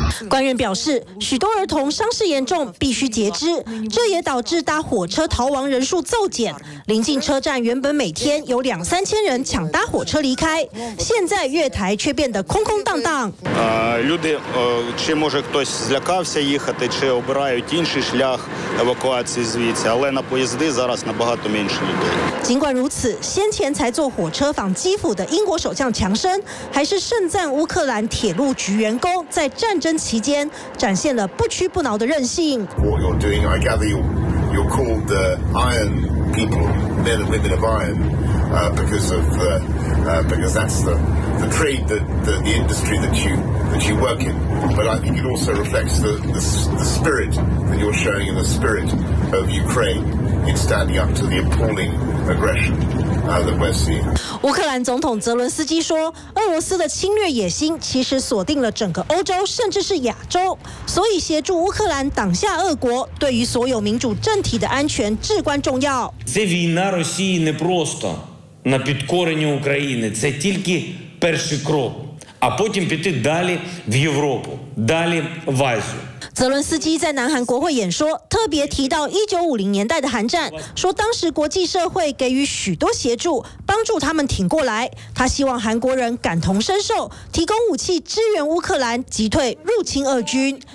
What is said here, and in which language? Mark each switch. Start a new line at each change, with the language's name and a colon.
Chinese: 官员表示，许多儿童伤势严重，必须截肢，这也导致搭火车逃亡人数骤减。临近车站原本每天有两三千人抢搭火车离开，现在月台却变得空空荡荡。
Ukrainian: Люди, чи може хтось злякався їхати, чи обирають інший шлях евакуації звідси, але на поїзди зараз набагато менше людей.
Chinese: 尽管如此，先前才坐火车访基辅的英国首相强生，还是盛赞乌克兰铁路局员工在战争期间展现了不屈不挠的韧性。
English: What you're doing, I gather you're called the iron people, men and women of iron, because that's the trade the industry that you work in. But I think it also reflects the spirit that you're showing and the spirit of Ukraine. in standing up to the appalling aggression that we're seeing.
Chinese: 乌克兰总统泽伦斯基说，俄罗斯的侵略野心其实锁定了整个欧洲，甚至是亚洲，所以协助乌克兰挡下俄国，对于所有民主政体的安全至关重要。
Ukrainian: Це війна Росії не просто на підкорені України, це тільки перший крок.
Chinese: 啊，然后继续到欧洲，到亚洲。泽伦斯基在南韩国会演说，特别提到1950年代的韩战，说当时国际社会给予许多协助，帮助他们挺过来。他希望韩国人感同身受，提供武器支援乌克兰击退入侵俄军。